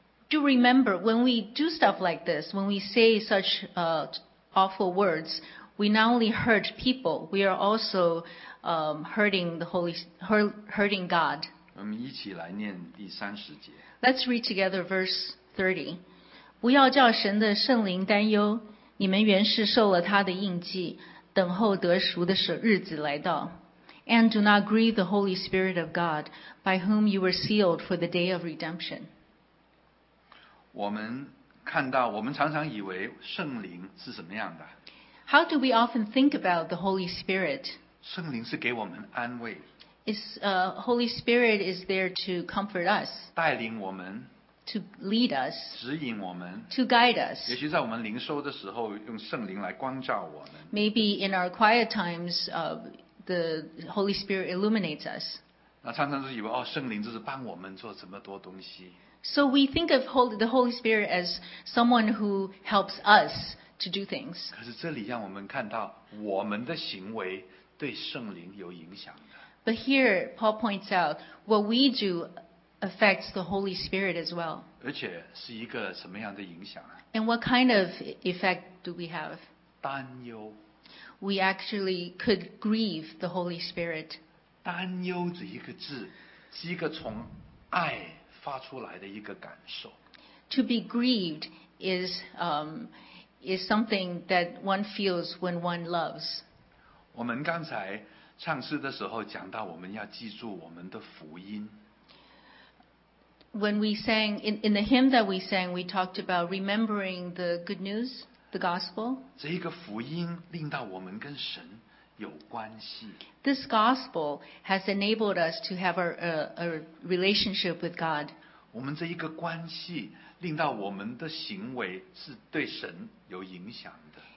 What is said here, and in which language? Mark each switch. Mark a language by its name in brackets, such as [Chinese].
[English] Do remember, when we do stuff like this, when we say such awful words, we not only hurt people, we are also hurting God. [Chinese] 我们一起来念第三十节。 [English] Let's read together verse 30. [Chinese] 不要叫神的圣灵担忧，你们原是受了他的印记，等候得赎的日子来到。 [English] And do not grieve the Holy Spirit of God, by whom you were sealed for the day of redemption. [Chinese] 我们看到，我们常常以为圣灵是什么样的？ [English] How do we often think about the Holy Spirit? [Chinese] 圣灵是给我们安慰。 [English] Holy Spirit is there to comfort us. [Chinese] 带领我们。 [English] To lead us. [Chinese] 指引我们。 [English] To guide us. [Chinese] 也许在我们灵修的时候，用圣灵来光照我们。 [English] Maybe in our quiet times, the Holy Spirit illuminates us. [Chinese] 那常常就以为哦，圣灵就是帮我们做这么多东西。 [English] So we think of the Holy Spirit as someone who helps us to do things. [Chinese] 可是这里让我们看到，我们的行为对圣灵有影响的。 [English] But here, Paul points out, what we do affects the Holy Spirit as well. [Chinese] 而且是一个什么样的影响啊？ [English] And what kind of effect do we have? [Chinese] 担忧。 [English] We actually could grieve the Holy Spirit. [Chinese] 担忧这一个字，是一个从爱发出来的一个感受。 [English] To be grieved is something that one feels when one loves. [Chinese] 我们刚才唱诗的时候讲到，我们要记住我们的福音。 [English] When we sang in the hymn that we sang, we talked about remembering the good news, the gospel. [Chinese] 这一个福音令到我们跟神有关系。 [English] This gospel has enabled us to have a relationship with God. [Chinese] 我们这一个关系令到我们的行为是对神有影响的。